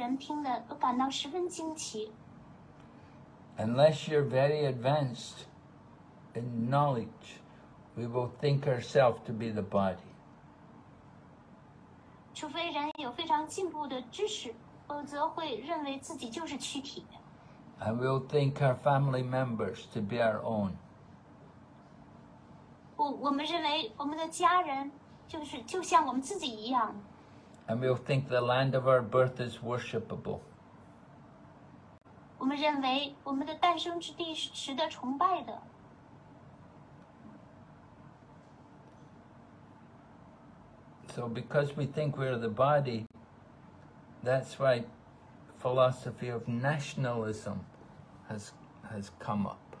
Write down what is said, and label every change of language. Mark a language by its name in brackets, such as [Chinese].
[Chinese] 主以这样简洁清晰的阐释生命的绝对真理，这些人听了都感到十分惊奇。 [English] Unless you're very advanced in knowledge, we will think ourselves to be the body. [Chinese] 除非人有非常进步的知识，否则会认为自己就是躯体。 [English] And we'll think our family members to be our own. [Chinese] 我们认为我们的家人就像我们自己一样。 [English] And we'll think the land of our birth is worshipable. [Chinese] 我们认为我们的诞生之地是值得崇拜的。 [English] So because we think we're the body, that's why philosophy of nationalism has come up.